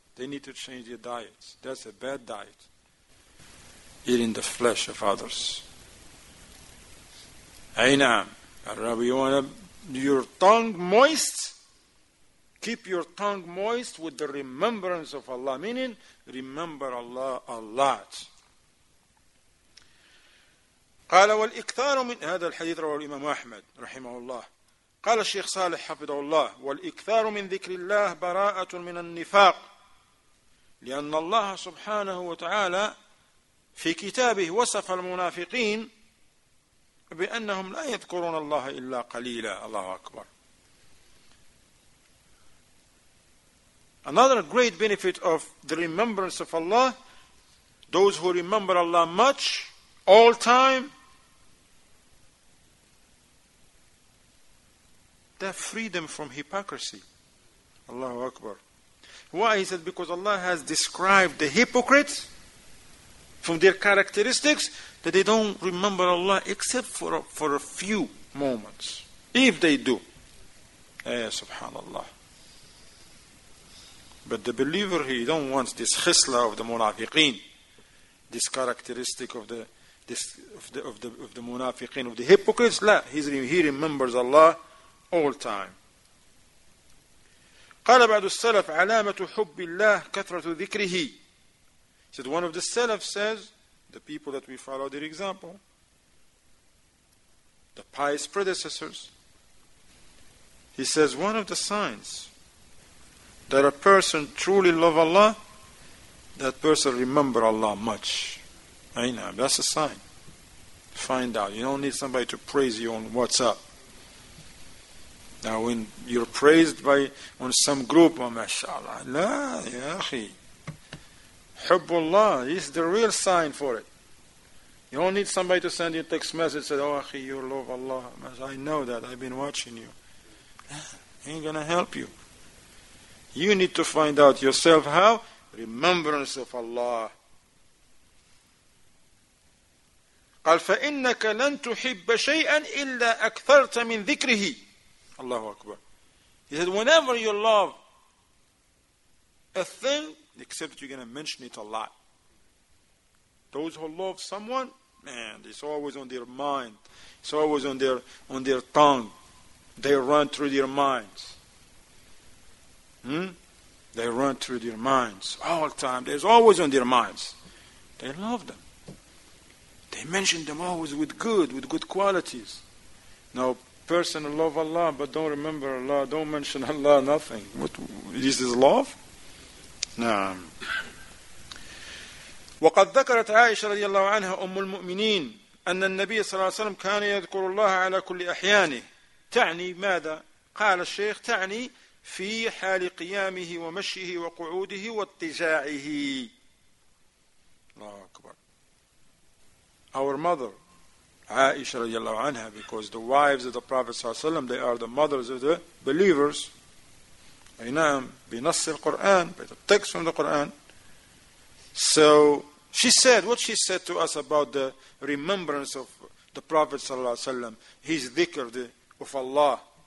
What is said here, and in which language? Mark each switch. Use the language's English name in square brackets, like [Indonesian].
[English] They need to change their diets. That's a bad diet. Eating the flesh of others. Aina, Rabbi, you want your tongue moist? Keep your tongue moist with the remembrance of Allah. Meaning, remember Allah a lot. [Arabic] قال والإكثار من هذا الحديث رواه الإمام أحمد رحمه الله قال الشيخ صالح حفظه الله والإكثار من ذكر الله براءة من النفاق لأن الله سبحانه وتعالى في كتابه وصف المنافقين بأنهم لا يذكرون الله إلا قليلا الله أكبر. [English] Another great benefit of the remembrance of Allah, those who remember Allah much all time, the freedom from hypocrisy. Allahu Akbar. Why? He said, because Allah has described the hypocrites from their characteristics that they don't remember Allah except for a few moments. If they do. Subhanallah. But the believer, he don't want this khisla of the munafiqeen, this characteristic of the munafiqeen, of the hypocrites. La, he remembers Allah all time. [Arabic] قال بعض السلف علامة حب الله كثرة ذكره. [English] Said one of the Salaf says, the people that we follow their example, the pious predecessors, he says one of the signs that a person truly love Allah, that person remember Allah much. I know, that's a sign. Find out. You don't need somebody to praise you on WhatsApp. Now when you're praised by on some group, oh, mashallah, la, ya akhi, hubbullah is the real sign for it. You don't need somebody to send you a text message that, oh, akhi, you love Allah. I know that. I've been watching you. Ain't going to help you. You need to find out yourself how? Remembrance of Allah. [Arabic] قال فإنك لن تحب شيئا إلا أكثرت من ذكره. Allahu Akbar. [English] He said, whenever you love a thing, except you're going to mention it a lot. Those who love someone, man, it's always on their mind. It's always on their tongue. They run through their minds. They run through their minds all the time. It's always on their minds. They love them. They mention them always with good qualities. Now, person love Allah but don't remember Allah, don't mention Allah, nothing. What, this is love? نعم. [Arabic] وقد ذكرت عائشة رضي الله عنها أم المؤمنين أن النبي صلى الله عليه وسلم كان يذكر الله على كل أحيانه. تعني ماذا؟ قال الشيخ تعني في حال قيامه ومشيه وقعوده واضطجاعه. الله أكبر. [English] Our mother Aisha radiallahu anha, because the wives of the Prophet sallallahu alaihi wasallam, they are the mothers of the believers. Aynam bi nass al-Quran, by the text from the Quran. So she said, what she said to us about the remembrance of the Prophet sallallahu alaihi wasallam, his dhikr of Allah.